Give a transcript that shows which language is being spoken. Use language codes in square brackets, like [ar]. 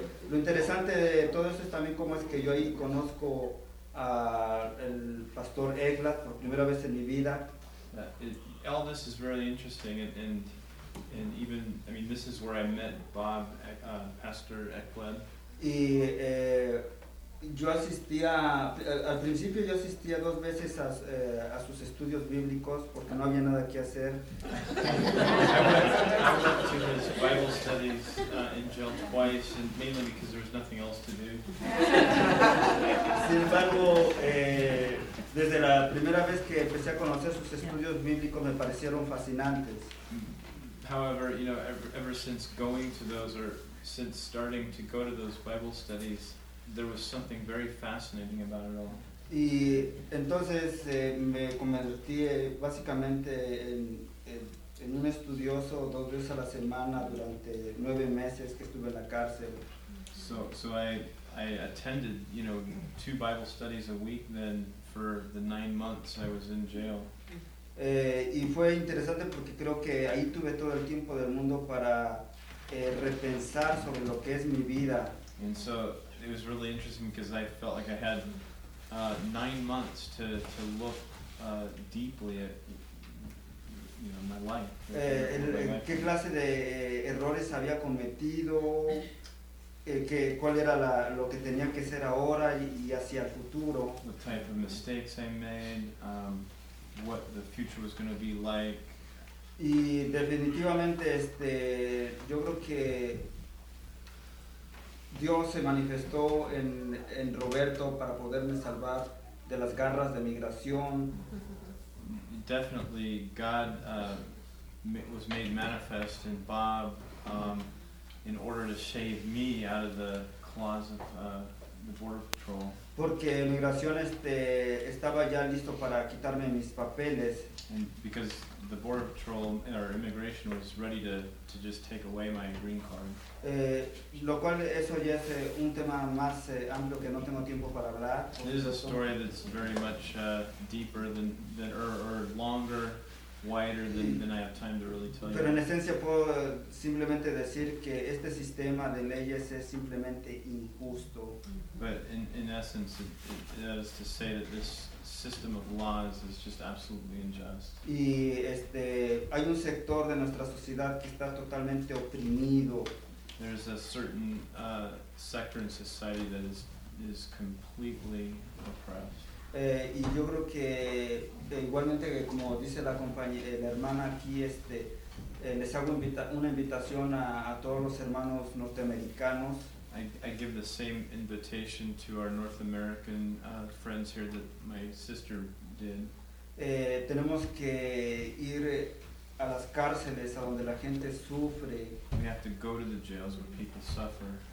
[es] Lo interesante de todo eso es también cómo es que yo ahí conozco al pastor Eglas por primera vez en mi vida. [en] All this is really interesting, and even, I mean, this is where I met Bob, Pastor Eglas. [es] Y yo asistía, al principio yo asistía dos veces a sus estudios bíblicos porque no había nada que hacer. [en] I went to his Bible studies in jail twice, and mainly because there was nothing else to do. [es] Sin embargo, desde la primera vez que empecé a conocer sus estudios bíblicos me parecieron fascinantes. [en] However, you know, ever since going to those, or since starting to go to those Bible studies, there was something very fascinating about it all. [es] Y entonces me convertí básicamente en un estudioso dos veces a la semana durante 9 meses que estuve en la cárcel. [en] So I attended, you know, 2 Bible studies a week then for the 9 months I was in jail. [es] Y fue interesante porque creo que ahí tuve todo el tiempo del mundo para repensar sobre lo que es mi vida. [en] And so it was really interesting because I felt like I had 9 months to look deeply at, you know, my life. [es] ¿Qué clase de errores había cometido? ¿Cuál era lo que tenía que ser ahora y hacia el futuro? [en] What type of mistakes I made, what the future was going to be like. [es] Y definitivamente, yo creo que Dios se manifestó en Roberto para poderme salvar de las garras de migración. [en] definitely God was made manifest in Bob in order to save me out of the claws of the Border Patrol. [es] Porque inmigración estaba ya listo para quitarme mis papeles. [en] And because the Border Patrol or immigration was ready to just take away my green card. [es] Lo cual eso ya es un tema más amplio que no tengo tiempo para hablar. [en] This is a story that's very much deeper than longer, wider than I have time to really tell you. [es] Pero en esencia puedo simplemente decir que este sistema de leyes es simplemente injusto. [en] But in essence, it is to say that this system of laws is just absolutely unjust. [es] Y hay un sector de nuestra sociedad que está totalmente oprimido. [en] There's a certain sector in society that is completely oppressed. [es] Y yo creo que igualmente que como dice la compañía, la hermana aquí, les hago una invitación a todos los hermanos norteamericanos. [en] I give the same invitation to our North American friends here that my sister did. [es] Tenemos que ir a las cárceles a donde la gente sufre. [en] We have to go to the jails where people suffer.